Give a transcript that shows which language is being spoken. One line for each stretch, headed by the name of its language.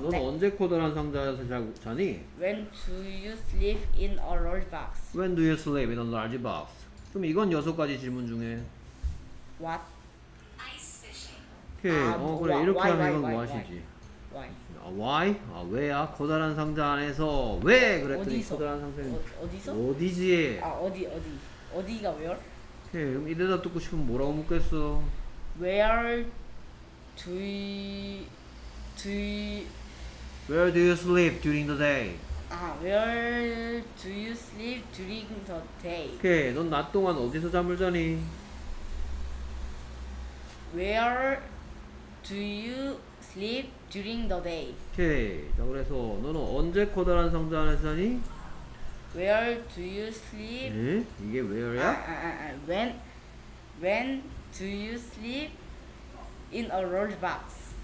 Korean: 너는 언제 커다란 상자 안에서 자니?
English: When do you sleep in a large box? When do you sleep in a large box?
Korean: 그럼 이건 여섯 가지 질문 중에
English: What?
Korean: Okay. 그래
English: why,
Korean: 이렇게
English: why,
Korean: 하면 이건
English: why,
Korean: 뭐하시지?
English: Why?
Korean: 아, why? 아 왜야? 커다란 상자 안에서 왜? 그랬더니 어디서? 커다란 상자 어디서? 어디지? 아 어디 어디가 where? Okay. 그럼 이 대답 듣고 싶으면 뭐라고 묻겠어?
English: Where do Where do you sleep during the day? Where do you sleep during the day?
Korean: 오케이, 넌 낮 동안 어디서 잠을 자니?
English: Where do you sleep during the day?
Korean: 오케이, 자 그래서 너는 언제 커다란 상자 안에서 자니?
English: Where do you sleep?
Korean: 응? 이게 where야?
English: When do you sleep in a large box?